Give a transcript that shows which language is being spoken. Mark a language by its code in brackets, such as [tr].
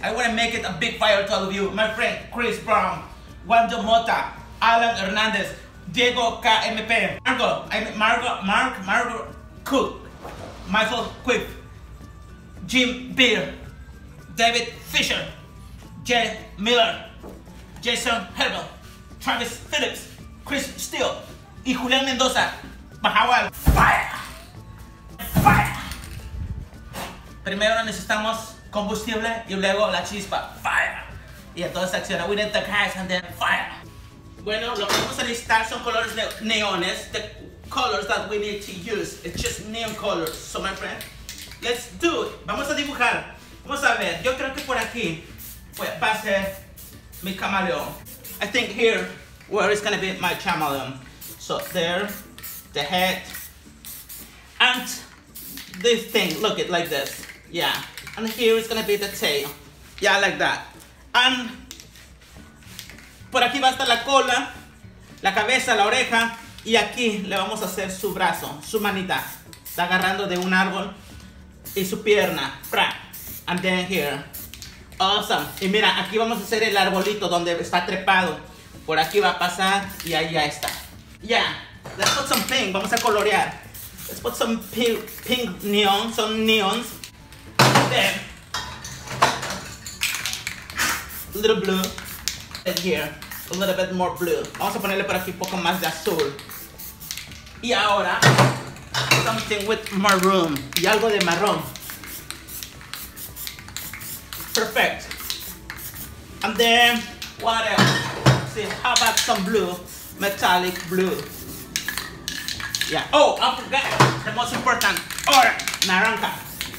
[en] I want to make it a big fire to all of you. My friend, Chris Brown, Wando Mota, Alan Hernandez, Diego KMP, Margo Cook, Michael Quick, Jim Beer, David Fisher, Jay Miller, Jason Herbert, Travis Phillips, Chris Steele, y Julián Mendoza, Mahawal. Fire! Fire! [es] Primero necesitamos combustible y luego la chispa. [en] Fire! [es] Y entonces acciona, [en] we need the cash and then fire. [es] Bueno, lo que vamos a necesitar son colores neones. [en] The colors that we need to use. It's just neon colors, so my friend, let's do it. [es] Vamos a dibujar. Vamos a ver, yo creo que por aquí va a ser mi camaleón. [en] I think here where is gonna be my chameleon. So there, the head. And this thing, look it like this. Yeah, and here is gonna be the tail. Yeah, like that. And [es] por aquí va a estar la cola, la cabeza, la oreja, y aquí le vamos a hacer su brazo, su manita. Está agarrando de un árbol y su pierna. [en] And then here. Awesome. [es] Y mira, aquí vamos a hacer el arbolito donde está trepado. Por aquí va a pasar y ahí ya está. [en] Yeah, let's put some pink. [es] Vamos a colorear. [en] Let's put some pink neon, some neons. There. A little blue, and here, a little bit more blue. [es] Vamos a ponerle por aquí un poco más de azul. Y ahora, [en] something with maroon, [es] y algo de marrón. [en] Perfect. And then, what else? See, how about some blue, metallic blue? Yeah, oh, I forgot, the most important, orange, naranja.